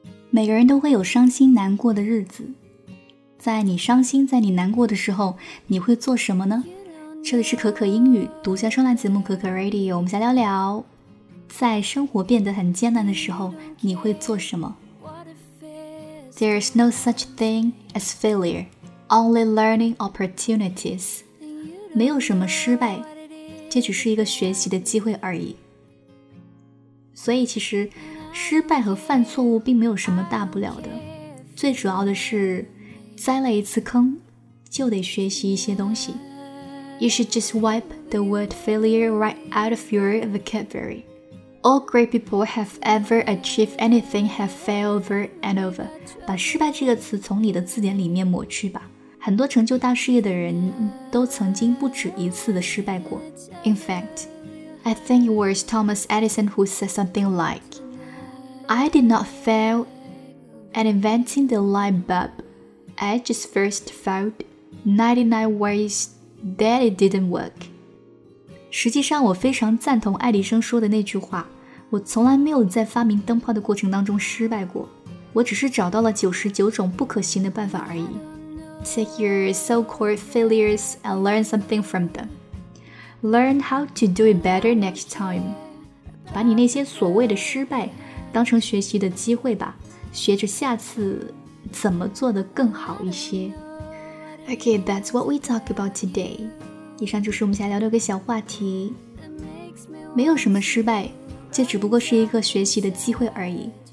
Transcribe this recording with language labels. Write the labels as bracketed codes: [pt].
[zh] 每个人都会有伤心难过的日子，在你伤心在你难过的时候，你会做什么呢？这里是可可英语独家专栏节目可可 Radio， 我们再聊聊在生活变得很艰难的时候你会做什么。 [en] There is no such thing as failure, only learning opportunities. [zh] 没有什么失败，这只是一个学习的机会而已。所以其实失败和犯错误并没有什么大不了的，最主要的是栽了一次坑就得学习一些东西。 [en] You should just wipe the word failure right out of your vocabulary. All great people have ever achieved anything have failed over and over. [zh] 把失败这个词从你的字典里面抹去吧，很多成就大事业的人都曾经不止一次的失败过。 [en] In fact, I think it was Thomas Edison who said something likeI did not fail at inventing the light bulb. I just first failed 99 ways that it didn't work. [zh] 实际上我非常赞同爱迪生说的那句话，我从来没有在发明灯泡的过程当中失败过，我只是找到了99种不可行的办法而已。 [en] Take your so-called failures and learn something from them. Learn how to do it better next time. [zh] 把你那些所谓的失败当成学习的机会吧，学着下次怎么做得更好一些。 [en] Okay, that's what we talk about today. [zh] 以上就是我们想聊的一个小话题，没有什么失败，这只不过是一个学习的机会而已。